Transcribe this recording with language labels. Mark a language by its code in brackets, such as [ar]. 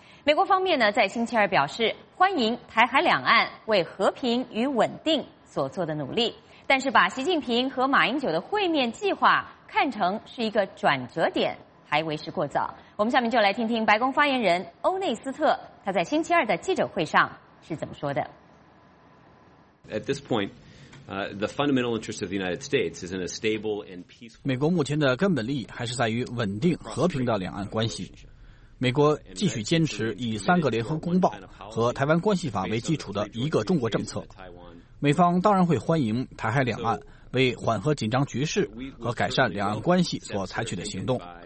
[zh] 美国方面呢，在星期二表示欢迎台海两岸为和平与稳定所做的努力，但是把习近平和马英九的会面计划看成是一个转折点还为时过早。我们下面就来听听白宫发言人欧内斯特他在星期二的记者会上是怎么说的。 [en] At this point, the fundamental interest of the United States is in a stable and peaceful. [zh] 美国目前的根本利益还是在于稳定和平的两岸关系。美国继续坚持以三个联合公报和台湾关系法为基础的一个中国政策。美方当然会欢迎台海两岸为缓和紧张局势和改善两岸关系所采取的行动。